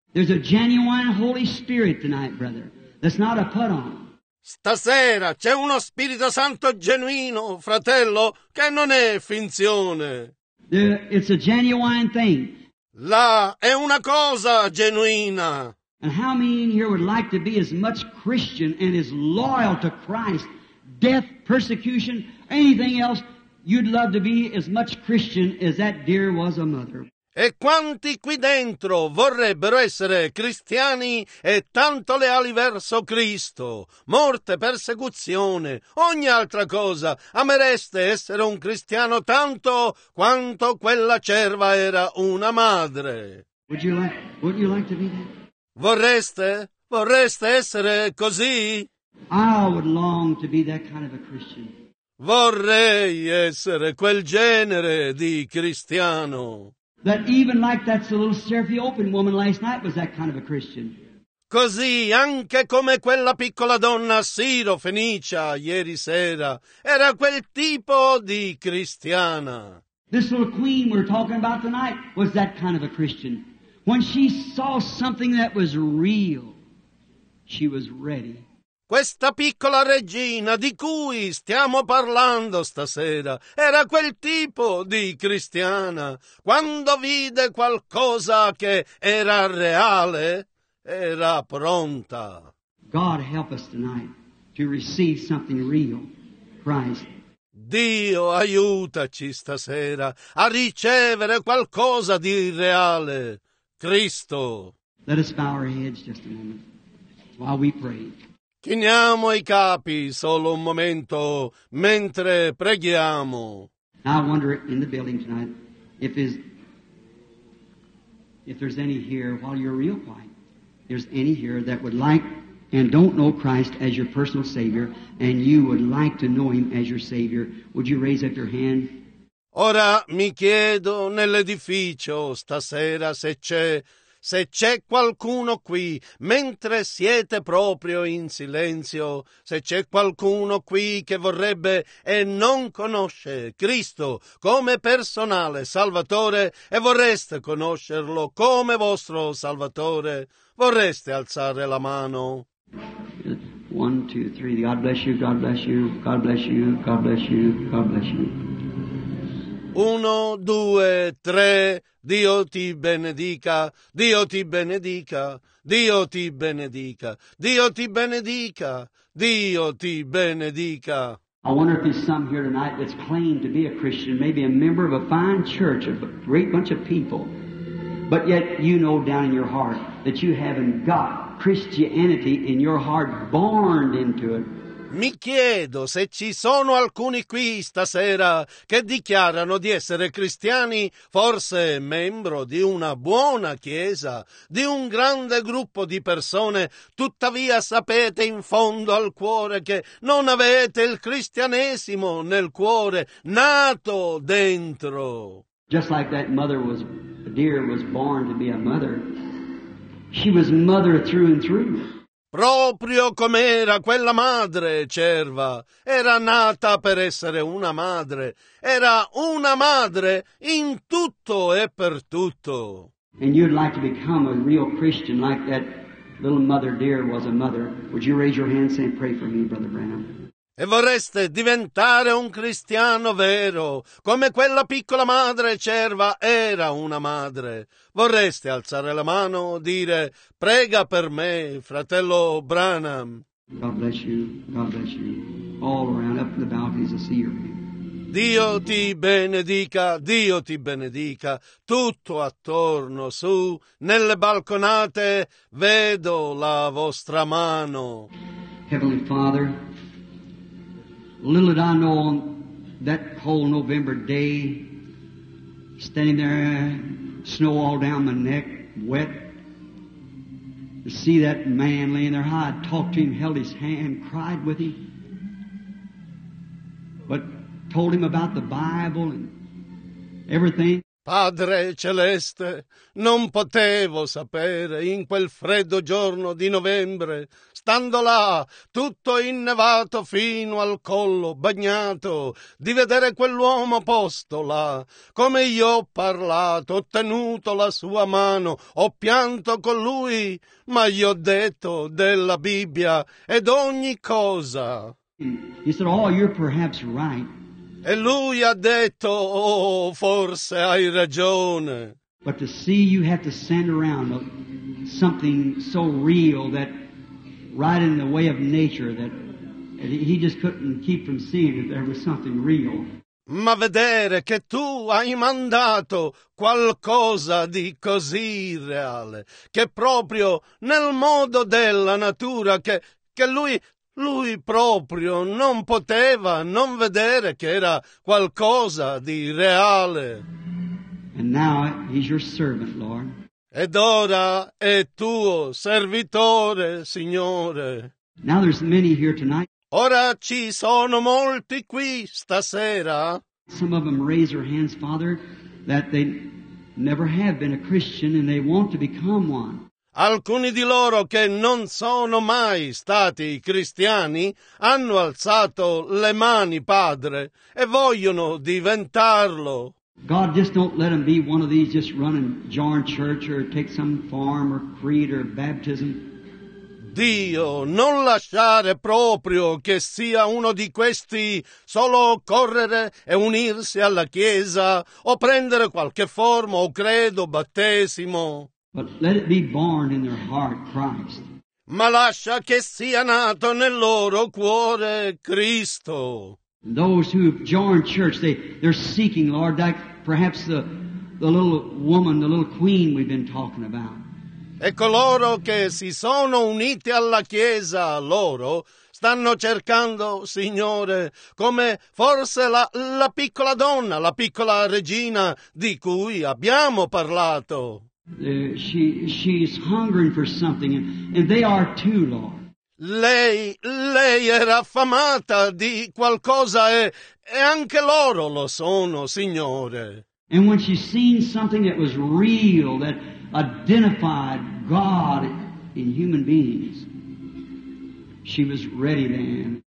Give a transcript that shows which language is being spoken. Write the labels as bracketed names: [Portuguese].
[English] There's a genuine Holy Spirit tonight, brother. That's not a put-on. [Italian] Stasera c'è uno Spirito Santo genuino, fratello, che non è finzione. [English] It's a genuine thing. [Italian] Là è una cosa genuina. [English] And how many in here would like to be as much Christian and as loyal to Christ, death, persecution, anything else, you'd love to be as much Christian as that deer was a mother. [Italian] E quanti qui dentro vorrebbero essere cristiani e tanto leali verso Cristo? Morte, persecuzione, ogni altra cosa. Amereste essere un cristiano tanto quanto quella cerva era una madre. [English] Would you like to be that? [Italian] Vorreste? Vorreste essere così? [English] I would long to be that kind of a Christian. [Italian] Vorrei essere quel genere di cristiano. [English] That even like that little Seraphie Open woman last night was that kind of a Christian. [Italian] Così anche come quella piccola donna Siro Fenicia ieri sera era quel tipo di cristiana. [English] This little queen we're talking about tonight was that kind of a Christian. When she saw something that was real, she was ready. [Italian] Questa piccola regina di cui stiamo parlando stasera era quel tipo di cristiana. Quando vide qualcosa che era reale, era pronta. [English] God help us tonight to receive something real, Christ. [Italian] Dio, aiutaci stasera a ricevere qualcosa di irreale. Cristo. [English] Let us bow our heads just a moment while we pray. [Italian] Chiniamo i capi solo un momento mentre preghiamo. [English] I wonder in the building tonight if there's any here, while you're real quiet, there's any here that would like and don't know Christ as your personal Savior, and you would like to know Him as your Savior. Would you raise up your hand? [Italian] Ora mi chiedo nell'edificio stasera se c'è qualcuno qui, mentre siete proprio in silenzio, se c'è qualcuno qui che vorrebbe e non conosce Cristo come personale Salvatore e vorreste conoscerlo come vostro Salvatore, vorreste alzare la mano? [English] 1, 2, 3. God bless you, God bless you, God bless you, God bless you, God bless you. [Italian] 1, 2, 3. Dio ti benedica, Dio ti benedica, Dio ti benedica, Dio ti benedica, Dio ti benedica. [English] I wonder if there's some here tonight that's claimed to be a Christian, maybe a member of a fine church, a great bunch of people, but yet you know down in your heart that you haven't got Christianity in your heart, born into it. [Italian] Mi chiedo se ci sono alcuni qui stasera che dichiarano di essere cristiani, forse membro di una buona chiesa, di un grande gruppo di persone, tuttavia sapete in fondo al cuore che non avete il cristianesimo nel cuore, nato dentro. [English] Just like that mother was, a deer was born to be a mother, she was mother through and through. [Italian] Proprio com'era quella madre cerva, era nata per essere una madre, era una madre in tutto e per tutto. [English] And you'd like to become a real Christian like that little mother deer was a mother. Would you raise your hand and say, pray for me, Brother Branham? [Italian] E vorreste diventare un cristiano vero, come quella piccola madre cerva era una madre. Vorreste alzare la mano e dire, prega per me, fratello Branham. [English] God bless you, God bless you. All around, up in the balconies, I see your name. [Italian] Dio ti benedica, Dio ti benedica. Tutto attorno, su, nelle balconate, vedo la vostra mano. [English] Heavenly Father, little did I know on that cold November day, standing there, snow all down my neck, wet, to see that man laying there, how I talked to him, held his hand, cried with him, but told him about the Bible and everything. [Italian] Padre Celeste, non potevo sapere in quel freddo giorno di novembre, stando là, tutto innevato fino al collo, bagnato, di vedere quell'uomo posto là, come io ho parlato, ho tenuto la sua mano, ho pianto con lui, ma gli ho detto della Bibbia ed ogni cosa. [English] He said, oh, you're perhaps right. [Italian] E lui ha detto, oh, forse hai ragione. [English] But to see you have to send around something so real that right in the way of nature that he just couldn't keep from seeing that there was something real. [Italian] Ma vedere che tu hai mandato qualcosa di così reale, che proprio nel modo della natura che lui proprio non poteva non vedere che era qualcosa di reale. [English] And now he's your servant, Lord. [Italian] Ed ora è tuo servitore, Signore. [English] Now there's many here tonight. [Italian] Ora ci sono molti qui stasera. [English] Some of them raise their hands, Father, that they never have been a Christian and they want to become one. [Italian] Alcuni di loro che non sono mai stati cristiani hanno alzato le mani, Padre, e vogliono diventarlo. [English] God, just don't let them be one of these just running join church or take some form or creed or baptism. [Italian] Dio, non lasciare proprio che sia uno di questi solo correre e unirsi alla chiesa o prendere qualche forma o credo, battesimo. [English] But let it be born in their heart, Christ. [Italian] Ma lascia che sia nato nel loro cuore Cristo. [English] Those who have joined church, they're seeking, Lord, that perhaps the little woman, the little queen we've been talking about. [Italian] E coloro che si sono uniti alla Chiesa, loro stanno cercando, Signore, come forse la piccola donna, la piccola regina di cui abbiamo parlato. [English] She's hungering for something, and they are too, Lord. [Italian] Lei era affamata di qualcosa e anche loro lo sono, Signore. [English] And when she seen something that was real, that identified God in human beings, she was ready then.